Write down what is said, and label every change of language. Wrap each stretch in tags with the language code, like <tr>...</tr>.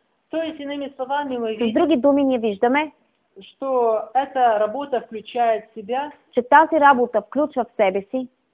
<bg>С други думи ние виждаме,</bg> <ru>что эта работа включает в себя,</ru> <bg>че тази работа включва в себе си</bg>